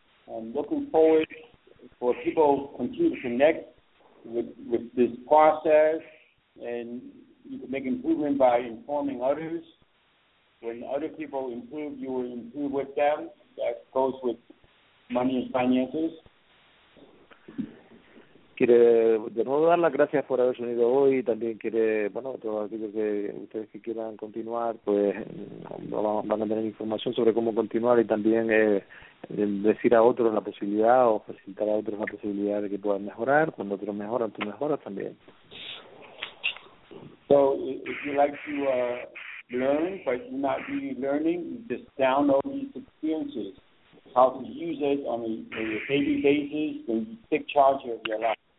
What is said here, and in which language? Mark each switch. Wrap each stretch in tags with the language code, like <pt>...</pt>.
<en>I'm looking forward for people continue to connect with this process, and you can make improvement by informing others. When other people improve, you will improve with them. That goes with money and finances.</en> <es>Quiere de nuevo dar las gracias por haberse unido hoy. También quiere, bueno, todos aquellos que ustedes que quieran continuar, pues van a tener información sobre cómo continuar, y también decir a otros la posibilidad, o facilitar a otros la posibilidad de que puedan mejorar. Cuando otros mejoran, tú mejoras también.</es> <en>So, if you like to learn, but you're not really learning, just download these experiences. How to use it on a daily basis, then you take charge of your life.</en>